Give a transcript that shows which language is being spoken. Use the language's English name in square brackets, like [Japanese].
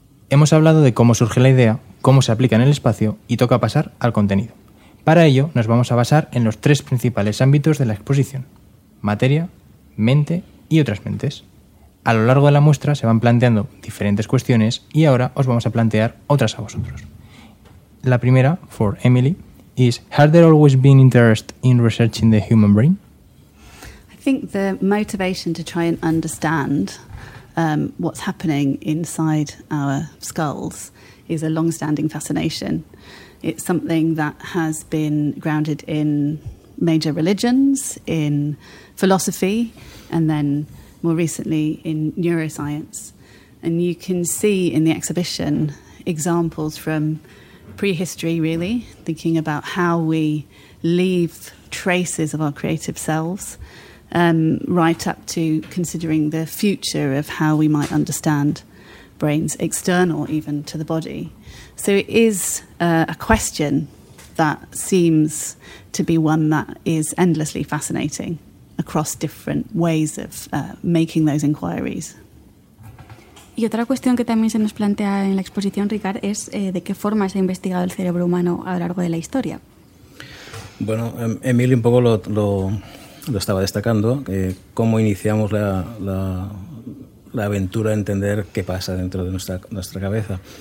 [Spanish] Hemos hablado de cómo surge la idea, cómo se aplica en el espacio y toca pasar al contenido. Para ello, nos vamos a basar en los tres principales ámbitos de la exposición: materia, mente y otras mentes. A lo largo de la muestra se van planteando diferentes cuestiones y ahora os vamos a plantear otras a vosotros. La primera, [English] for Emily, is: has there always been interest in researching the human brain? I think the motivation to try and understand what's happening inside our skulls is a long-standing fascination. It's something that has been grounded in major religions, in philosophy, and then more recently in neuroscience. And you can see in the exhibition examples from prehistory, really, thinking about how we leave traces of our creative selves, right up to considering the future of how we might understand brains, external even to the body. So it is a question that seems to be one that is endlessly fascinating across different ways of making those inquiries. [Spanish] Y otra cuestión que también se nos plantea en la exposición, Ricard, es de qué forma se ha investigado el cerebro humano a lo largo de la historia. Bueno, Emily, un poco lo estaba destacando, cómo iniciamos la aventura a entender qué pasa dentro de nuestra cabeza.